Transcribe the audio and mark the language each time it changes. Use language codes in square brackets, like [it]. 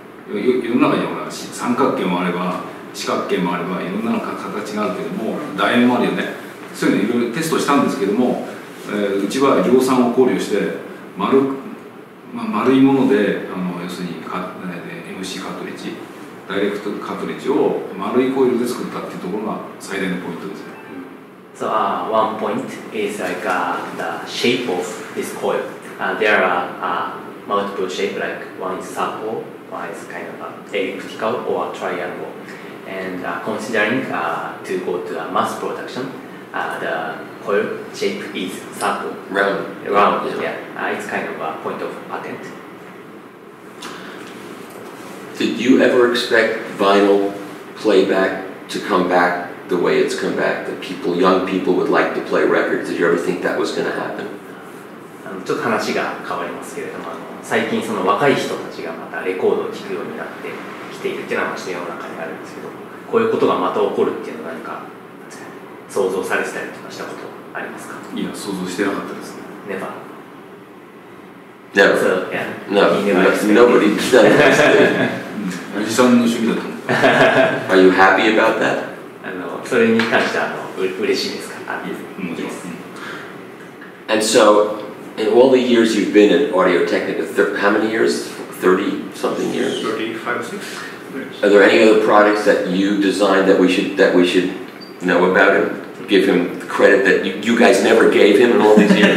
[ja] 世の中にはほら三角形もあれば。四角形もあればいろんな形があるけども楕円もあるよね。そういうのいろいろテストしたんですけども、うちは量産を考慮して 丸いものであの要するにか、MC カトリッジダイレクトカトリッジを丸いコイルで作ったっていうところが最大のポイントですね。 [en] So one point is like the shape of this coil. There are multiple shapes like one is circle, one is kind of elliptical or triangleAnd considering to go to a mass production, the coil shape is circle. Round. Round, yeah. It's kind of a point of patent. Did you ever expect vinyl playback to come back the way it's come back? That people, young people would like to play records? Did you ever think that was going to happen? [ja] ちょっと話が変わりますけれども、最近その若い人たちがまたレコードを聴くようになってきているっていうのは街の中にあるんですけど、こういうことがまた起こるっていうのは何か想像されてたりとかしたことありますか？いや、想像してなかったですね。 [en] Never? Never? So, yeah. No, never expected. Nobody did that. [ja] おじさんの趣味だと思う。 [en] Are you happy about that? [ja] それに関してはう嬉しいですか？もちろん。 [en] Yes. And so... In all the years you've been at Audio-Technica, how many years? 30-something years? 35 or 36. Are there any other products that you designed that we should know about and give him the credit that you guys never gave him in all these years?